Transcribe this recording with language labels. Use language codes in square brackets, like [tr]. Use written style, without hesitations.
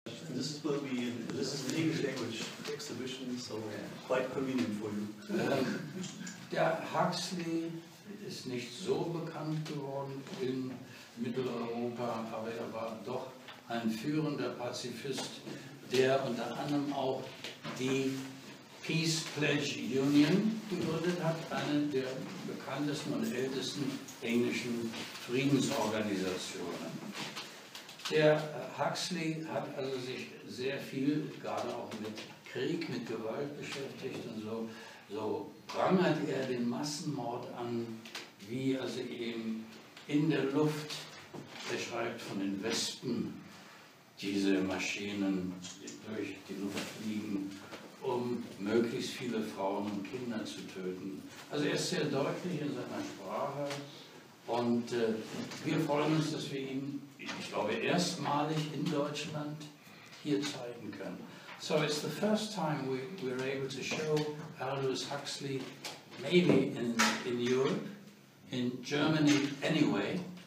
[en] This is where we, this is the English language exhibition, so quite convenient for you. [de] Der Huxley ist nicht so bekannt geworden in Mitteleuropa, aber er war doch ein führender Pazifist, der unter anderem auch die Peace Pledge Union gegründet hat, eine der bekanntesten und ältesten englischen Friedensorganisationen. Der Huxley hat also sich sehr viel, gerade auch mit Krieg, mit Gewalt beschäftigt und so, so prangert er den Massenmord an, wie also eben in der Luft, er schreibt von den Wespen, diese Maschinen durch die Luft fliegen, um möglichst viele Frauen und Kinder zu töten. Also er ist sehr deutlich in seiner Sprache und wir freuen uns, dass wir ihn, ich glaube, erstmalig in Deutschland hier zeigen können. [en] So it's the first time we were able to show Aldous Huxley, maybe in Europe, in Germany anyway.